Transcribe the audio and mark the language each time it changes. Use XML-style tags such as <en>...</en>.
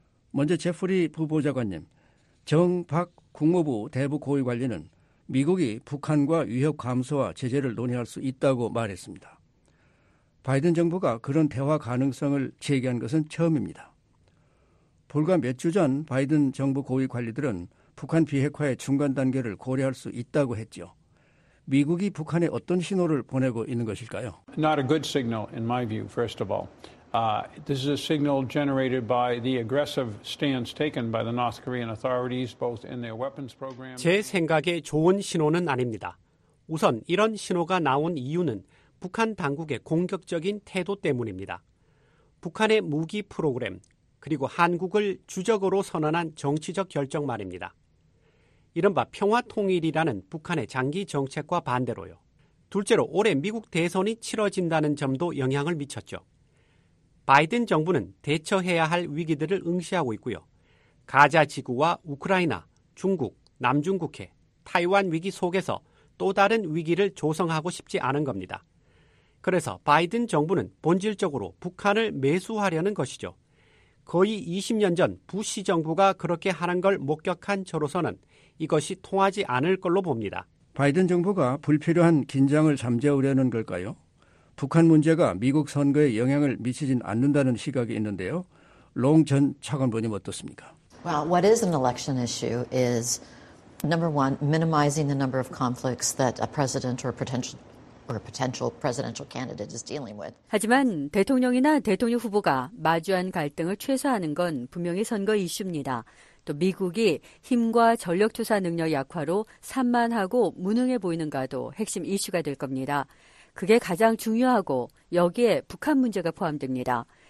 <ko>먼저 제프리 부보좌관님, 정박 국무부 대북 고위 관리는 미국이 북한과 위협 감소와 제재를 논의할 수 있다고 말했습니다. 바이든 정부가 그런 대화 가능성을 제기한 것은 처음입니다. 불과 몇 주 전 바이든 정부 고위 관리들은 북한 비핵화의 중간 단계를 고려할 수 있다고 했죠. 미국이 북한에 어떤 신호를 보내고 있는 것일까요?</ko> <en>Not a good signal in my view, first of all. This is a signal generated by the aggressive stance taken by the North Korean authorities both in their weapons program.</en> <ko>제 생각에 좋은 신호는 아닙니다. 우선 이런 신호가 나온 이유는 북한 당국의 공격적인 태도 때문입니다. 북한의 무기 프로그램 그리고 한국을 주적으로 선언한 정치적 결정 말입니다. 이른바 평화통일이라는 북한의 장기 정책과 반대로요. 둘째로 올해 미국 대선이 치러진다는 점도 영향을 미쳤죠. 바이든 정부는 대처해야 할 위기들을 응시하고 있고요. 가자 지구와 우크라이나, 중국, 남중국해, 타이완 위기 속에서 또 다른 위기를 조성하고 싶지 않은 겁니다. 그래서 바이든 정부는 본질적으로 북한을 매수하려는 것이죠. 거의 20년 전 부시 정부가 그렇게 하는 걸 목격한 저로서는 이것이 통하지 않을 걸로 봅니다. 바이든 정부가 불필요한 긴장을 잠재우려는 걸까요? 북한 문제가 미국 선거에 영향을 미치진 않는다는 시각이 있는데요. 롱 전 차관보님 어떻습니까?</ko> <en>Well, what is an election issue is number one, minimizing the number of conflicts that a president or potential presidential candidate is dealing with.</en> <ko>하지만 대통령이나 대통령 후보가 마주한 갈등을 최소화하는 건 분명히 선거 이슈입니다. 또 미국이 힘과 전력 투사 능력 약화로 산만하고 무능해 보이는가도 핵심 이슈가 될 겁니다. 그게 가장 중요하고 여기에 북한 문제가 포함됩니다.</ko>